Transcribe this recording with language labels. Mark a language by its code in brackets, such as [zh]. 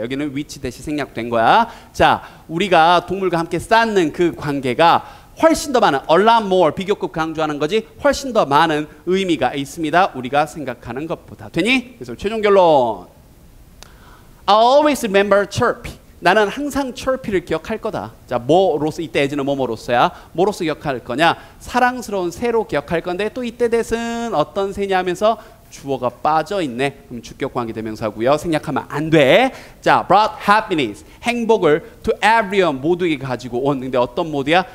[ko] 여기는 위치 대신 생략된 거야. 자, 우리가 동물과 함께 쌓는 그 관계가 훨씬 더 많은, a lot more, 비교급 강조하는 거지, 훨씬 더 많은 의미가 있습니다. 우리가 생각하는 것보다. 되니? [en] 그래서 최종 결론, I always remember chirpy. [ko] 나는 항상 chirpy를 기억할 거다. 자, 뭐로서, 이때 애지는 뭐뭐로서야? 뭐로서 기억할 거냐? 사랑스러운 새로 기억할 건데 또 이때 대신 어떤 새냐 하면서 주어가 빠져있네. 그럼 주격관계대명사고요. 생략하면 안 돼. 자, [en] brought happiness, [ko] 행복을 [en] to everyone, [ko] 모두에게 가지고 온. 근데 어떤 모드야?